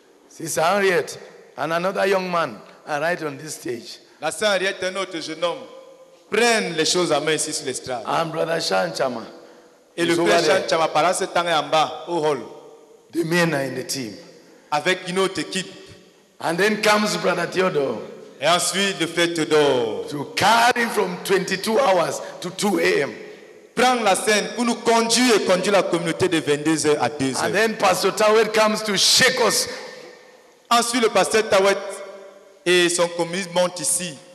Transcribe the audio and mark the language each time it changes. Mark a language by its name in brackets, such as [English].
[English] Sister Henriette and another young man are right on this stage. [French] La sœur Henriette, un autre jeune homme, prennent les choses à main ici sur l'estrade. [English] And brother Sean Chama. [French] Et le frère Sean Chama, pendant ce temps en bas, au hall. [English] The men are in the team. [French] Avec une autre équipe. [English] And then comes brother Theodore. [French] Et ensuite le frère Theodore. [English] To carry from 22 hours to 2 a.m. [French] Prendre la scène pour nous conduire et conduire la communauté de 22h à 2h. [English] And then Pastor Tawet comes to shake us. [French] Ensuite le pasteur Tawet et son communiste montent ici.